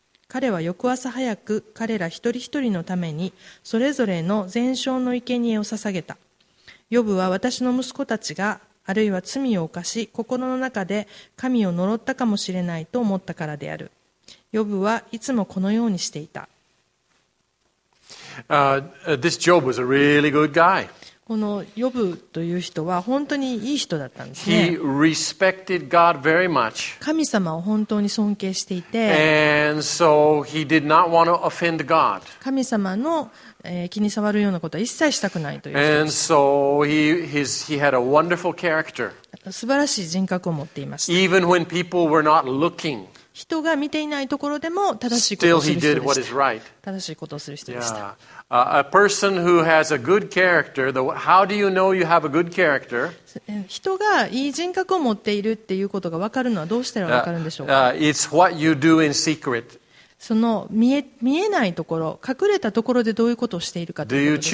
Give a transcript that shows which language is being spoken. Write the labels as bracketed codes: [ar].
[ja] 彼は翌朝早く彼ら一人一人のためにそれぞれの全焼の生贄を捧げた。ヨブは私の息子たちがあるいは罪を犯し心の中で神を呪ったかもしれないと思ったからである。ヨブはいつもこのようにしていた。 [en] This Job was a really good guy. [ja] このヨブという人は本当にいい人だったんですね。 [en] He respected God very much. [ja] 神様を本当に尊敬していて、 [en] And so he did not want to offend God. [ja] 神様の、気に障るようなことは一切したくないという人です。 [en] And so he had a wonderful character. [ja] 素晴らしい人格を持っていました。 [en] Even when people were not looking. [ja] 人が見ていないところでも正しいことをする人でした。 [en] Still, he did what is right. [ja] 正しいことをする人でした。 [en] A person who has a good character, how do you know you have a good character? [ja] 人がいい人格を持っているっていうことが分かるのはどうしたら分かるんでしょうか。 [en] It's what you do in secret. [ja] その見えないところ、隠れたところでどういうことをしているかということです。